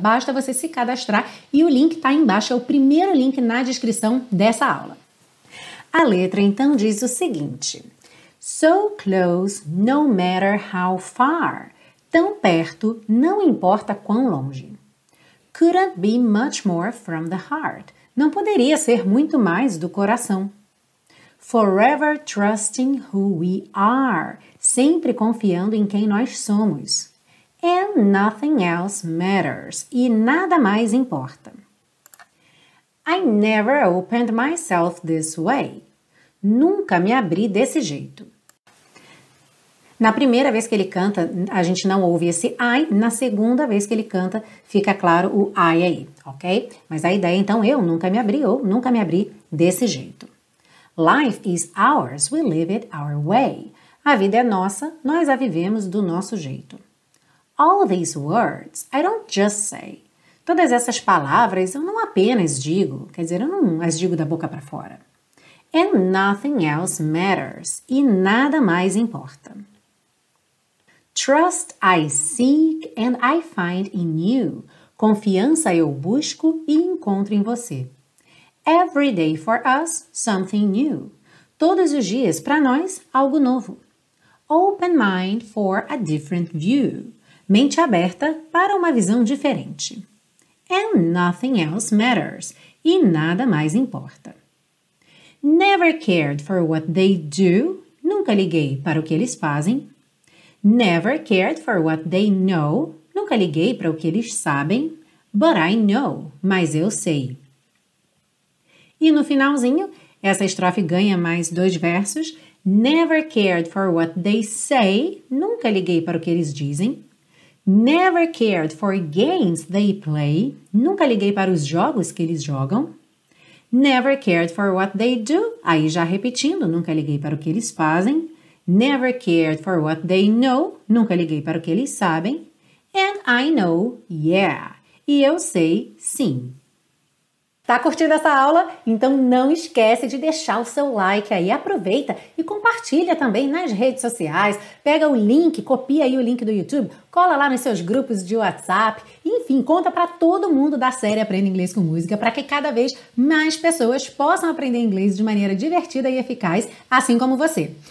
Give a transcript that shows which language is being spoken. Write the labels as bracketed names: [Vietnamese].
[Portuguese] Basta você se cadastrar e o link está embaixo, é o primeiro link na descrição dessa aula. A letra então diz o seguinte: [English] So close, no matter how far. [Portuguese] Tão perto, não importa quão longe. [English] Couldn't be much more from the heart. [Portuguese] Não poderia ser muito mais do coração. [English] Forever trusting who we are. [Portuguese] Sempre confiando em quem nós somos. [English] And nothing else matters. [Portuguese] E nada mais importa. [English] I never opened myself this way. [Portuguese] Nunca me abri desse jeito. Na primeira vez que ele canta, a gente não ouve esse I. Na segunda vez que ele canta, fica claro o I aí, ok? Mas a ideia, então, eu nunca me abri ou nunca me abri desse jeito. [English] Life is ours, we live it our way. [Portuguese] A vida é nossa, nós a vivemos do nosso jeito. [English] All these words, I don't just say. [Portuguese] Todas essas palavras, eu não apenas digo, quer dizer, eu não as digo da boca para fora. [English] And nothing else matters, [Portuguese] e nada mais importa. [English] Trust I seek and I find in you. [Portuguese] Confiança eu busco e encontro em você. [English] Every day for us, something new. [Portuguese] Todos os dias, para nós, algo novo. [English] Open mind for a different view. [Portuguese] Mente aberta para uma visão diferente. [English] And nothing else matters. [Portuguese] E nada mais importa. [English] Never cared for what they do. [Portuguese] Nunca liguei para o que eles fazem. [English] Never cared for what they know. [Portuguese] Nunca liguei para o que eles sabem. [English] But I know. [Portuguese] Mas eu sei. E no finalzinho, essa estrofe ganha mais dois versos. [English] Never cared for what they say. [Portuguese] Nunca liguei para o que eles dizem. [English] Never cared for games they play. [Portuguese] Nunca liguei para os jogos que eles jogam. [English] Never cared for what they do. [Portuguese] Aí já repetindo, nunca liguei para o que eles fazem. [English] Never cared for what they know. [Portuguese] Nunca liguei para o que eles sabem. [English] And I know, yeah. [Portuguese] E eu sei, sim. Tá curtindo essa aula? Então não esquece de deixar o seu like aí, aproveita e compartilha também nas redes sociais, pega o link, copia aí o link do YouTube, cola lá nos seus grupos de WhatsApp, enfim, conta para todo mundo da série Aprenda Inglês com Música, para que cada vez mais pessoas possam aprender inglês de maneira divertida e eficaz, assim como você.